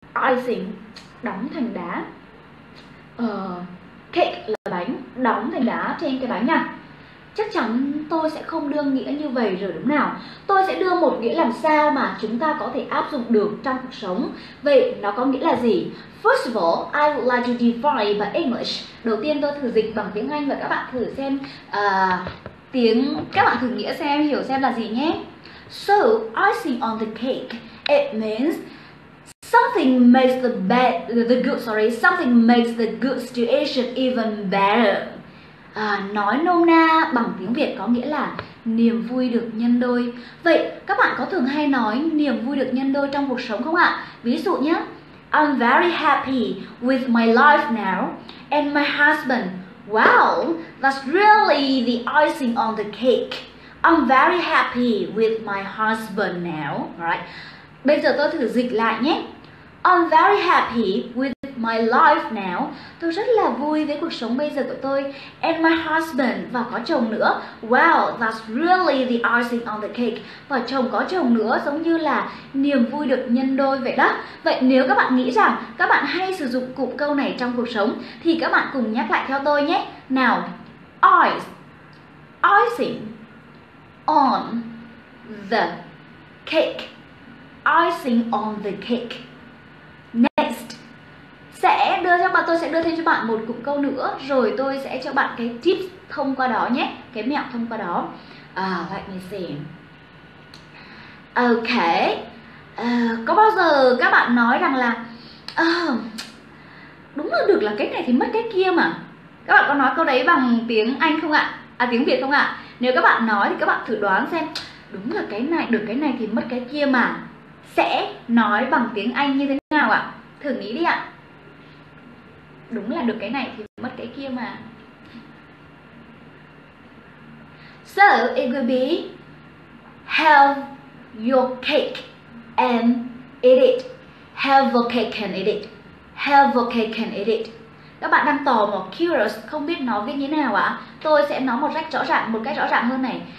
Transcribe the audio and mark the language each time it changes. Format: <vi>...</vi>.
<vi>Icing, đóng thành đá. Cake là bánh, đóng thành đá trên cái bánh nha. Chắc chắn tôi sẽ không đưa nghĩa như vậy rồi đúng nào. Tôi sẽ đưa một nghĩa làm sao mà chúng ta có thể áp dụng được trong cuộc sống. Vậy nó có nghĩa là gì?</vi> <en>First of all, I would like to define by English.</en> <vi>Đầu tiên tôi thử dịch bằng tiếng Anh và các bạn thử xem tiếng, các bạn thử nghĩa xem, hiểu xem là gì nhé.</vi> <en>So, icing on the cake, it means something makes the something makes the good situation even better.</en> <vi>Nói nôm na bằng tiếng Việt có nghĩa là niềm vui được nhân đôi. Vậy các bạn có thường hay nói niềm vui được nhân đôi trong cuộc sống không ạ? Ví dụ nhé,</vi> <en>I'm very happy with my life now and my husband. Wow, that's really the icing on the cake. I'm very happy with my husband now, right?</en> <vi>Bây giờ tôi thử dịch lại nhé.</vi> <en>I'm very happy with my life now.</en> <vi>Tôi rất là vui với cuộc sống bây giờ của tôi.</vi> <en>And my husband,</en> <vi>và có chồng nữa.</vi> <en>Wow, that's really the icing on the cake.</en> <vi>Và chồng có chồng nữa giống như là niềm vui được nhân đôi vậy đó. Vậy nếu các bạn nghĩ rằng các bạn hay sử dụng cụm câu này trong cuộc sống thì các bạn cùng nhắc lại theo tôi nhé.</vi> <en>Nào, icing on the cake. Icing on the cake.</en> <vi>Next, tôi sẽ đưa thêm cho bạn một cụm câu nữa, rồi tôi sẽ cho bạn cái tips thông qua đó nhé, cái mẹo thông qua đó.</vi> <en>Let me see. Okay.</en> <vi>Có bao giờ các bạn nói rằng là đúng là được là cái này thì mất cái kia mà? Các bạn có nói câu đấy bằng tiếng Anh không ạ? À tiếng Việt không ạ? Nếu các bạn nói thì các bạn thử đoán xem đúng là cái này được cái này thì mất cái kia mà, sẽ nói bằng tiếng Anh như thế nào ạ? Thử nghĩ đi ạ. Đúng là được cái này thì mất cái kia mà.</vi> <en>So it will be have your cake and eat it. Have a cake and eat it. Have a cake and eat it.</en> <vi>Các bạn đang tò mò, curious, không biết nó viết như thế nào ạ? Tôi sẽ nói một cách rõ ràng, một cách rõ ràng hơn này.</vi>